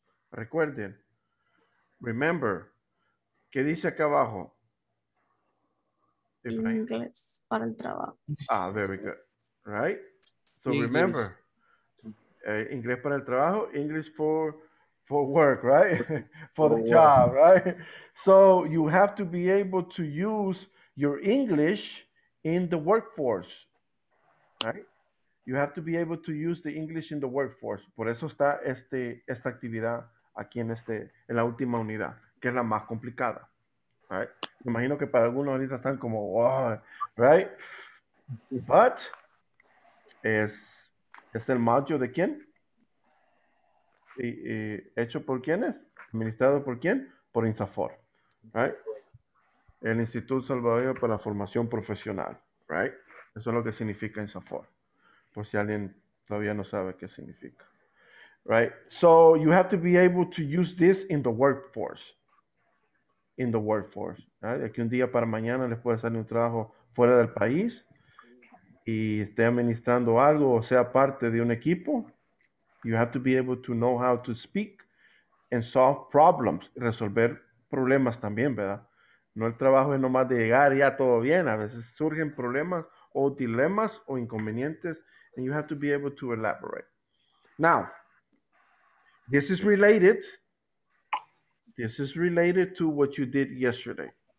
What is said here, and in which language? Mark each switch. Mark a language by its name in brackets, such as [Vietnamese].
[Spanish] Recuerden, [English] remember, [Spanish] ¿qué dice acá abajo? Inglés para el trabajo. [English] Ah, very good. Right? So English. Remember, [Spanish] inglés para el trabajo, [English] English for For work, right? For the job, right? So you have to be able to use your English in the workforce, right? You have to be able to use the English in the workforce. [Spanish] Por eso está esta actividad aquí en la última unidad, que es la más complicada, [English] right? [Spanish] Me imagino que para algunos ahorita están como, [English] oh, right? But [Spanish] es el module de quién? Y hecho por quiénes? Administrado por quién? Por INSAFOR, [English] right? [Spanish] El Instituto Salvadoreño para la Formación Profesional, [English] right? [Spanish] Eso es lo que significa INSAFOR, por si alguien todavía no sabe qué significa, [English] right? So you have to be able to use this in the workforce. In the workforce, right? [Spanish] Aquí un día para mañana les puede salir un trabajo fuera del país y esté administrando algo o sea parte de un equipo. [English] You have to be able to know how to speak and solve problems. [Spanish] Resolver problemas también, ¿verdad? No el trabajo es nomás de llegar y ya todo bien. A veces surgen problemas o dilemas o inconvenientes. [English] And you have to be able to elaborate. Now, this is related to what you did yesterday.